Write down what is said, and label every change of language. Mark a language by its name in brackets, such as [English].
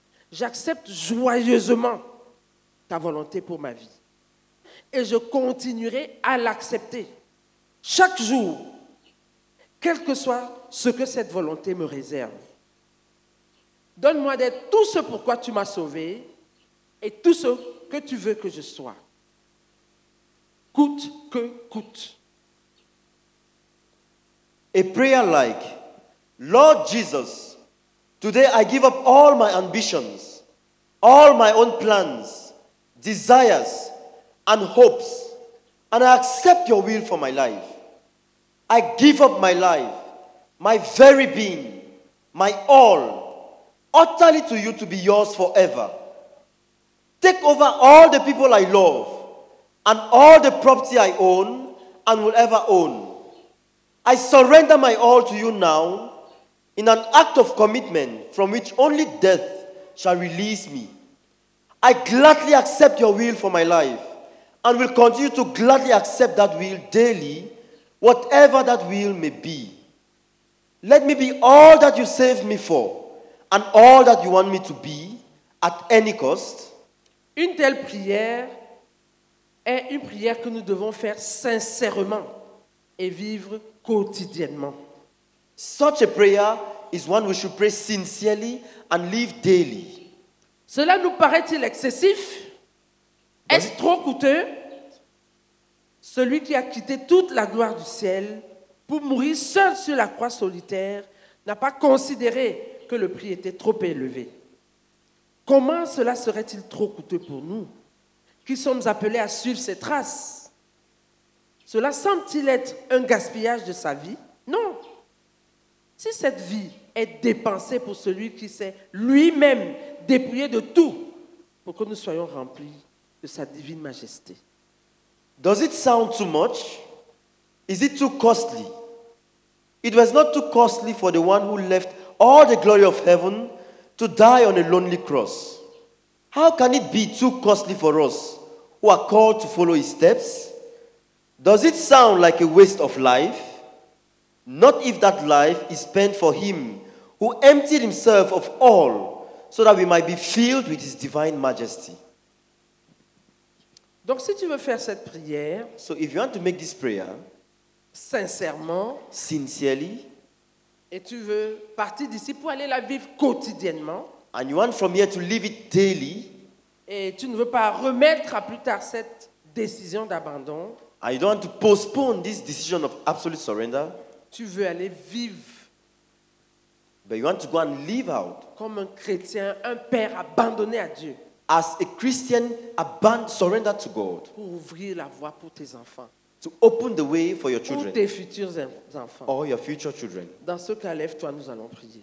[French] J'accepte joyeusement ta volonté pour ma vie et je continuerai à l'accepter chaque jour, quel que soit ce que cette volonté me réserve. Donne-moi d'être tout ce pourquoi tu m'as sauvé et tout ce que tu veux que je sois, coûte que coûte. [English] A prayer like, Lord Jesus, today I give up all my ambitions, all my own plans, desires, and hopes, and I accept your will for my life. I give up my life, my very being, my all, utterly to you to be yours forever. Take over all the people I love and all the property I own and will ever own. I surrender my all to you now in an act of commitment from which only death shall release me. I gladly accept your will for my life and will continue to gladly accept that will daily, whatever that will may be. Let me be all that you saved me for and all that you want me to be at any cost. [French] Une telle prière est une prière que nous devons faire sincèrement et vivre quotidiennement. [English] Such a prayer is one we should pray sincerely and live daily. [French] Cela nous paraît-il excessif? Est-ce trop coûteux? Celui qui a quitté toute la gloire du ciel pour mourir seul sur la croix solitaire n'a pas considéré que le prix était trop élevé. Comment cela serait-il trop coûteux pour nous qui sommes appelés à suivre ses traces? Cela semble-t-il être un gaspillage de sa vie? Non. Si cette vie est dépensée pour celui qui s'est lui-même dépouillé de tout pour que nous soyons remplis de sa divine majesté. [English] Does it sound too much? Is it too costly? It was not too costly for the one who left all the glory of heaven to die on a lonely cross. How can it be too costly for us who are called to follow his steps? Does it sound like a waste of life? Not if that life is spent for him who emptied himself of all so that we might be filled with his divine majesty. [French] Donc si tu veux faire cette prière, [English] so if you want to make this prayer, [French] sincèrement, [English] sincerely, [French] et tu veux partir d'ici pour aller la vivre quotidiennement, [English] and you want from here to live it daily, [French] et tu ne veux pas remettre à plus tard cette décision d'abandon, [English] and you don't want to postpone this decision of absolute surrender, [French] tu veux aller vivre, [English] but you want to go and live out, [French] comme un chrétien, un père abandonné à Dieu. [English] As a Christian, surrender to God. [French] Pour ouvrir la voie pour tes enfants. [English] To open the way for your children. [French] Ou tes futurs enfants. [English] Or your future children. [French] Dans ce cas, lève-toi, nous allons prier.